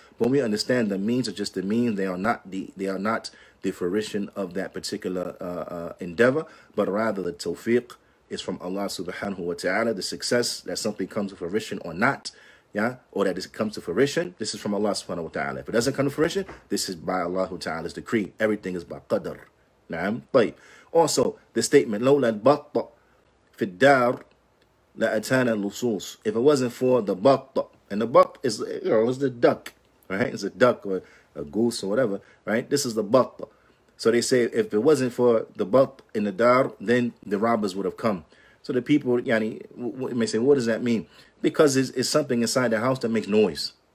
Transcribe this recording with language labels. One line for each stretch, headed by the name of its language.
English: But we understand the means are just the means. They are not the fruition of that particular endeavor, but rather the tawfiq is from Allah subhanahu wa ta'ala. The success that something comes to fruition or not, yeah, or that it comes to fruition, this is from Allah subhanahu wa ta'ala. If it doesn't come to fruition, this is by Allah ta'ala's decree. Everything is by qadr. Naam.
Arabic: طيب.
English: Also, the statement,
Arabic: لَوْ لَلْبَطَّ فِي الدَّارِ لَأَتَانَ الْلُصُوصِ.
English: If it wasn't for the بَطَّ, and the بَطَّ is, you know, it's the duck, right? It's a duck or a goose or whatever, right? This is the بَطَّ. So they say, if it wasn't for the بَطَّ in the دَار, then the robbers would have come. So the people, yani, may say, what does that mean? Because it's something inside the house that makes noise.